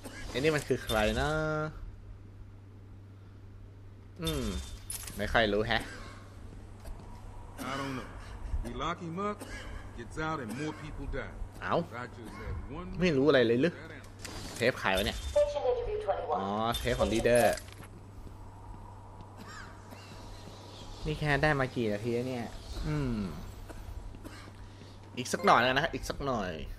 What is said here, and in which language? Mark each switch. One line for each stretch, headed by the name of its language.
Thai: ไอ้นี่มันคือใครนะไม่ใครรู้แฮะ
English: I don't know We lock him up Gets out and more people die
Thai: เอ้าไม่รู้อะไรเลยหรือเทปใครวะเนี่ยอ๋อเทปของลีเดอร์นี่แค่ได้มากี่นาทีเนี่ยอีกสักหน่อยนะอีกสักหน่อย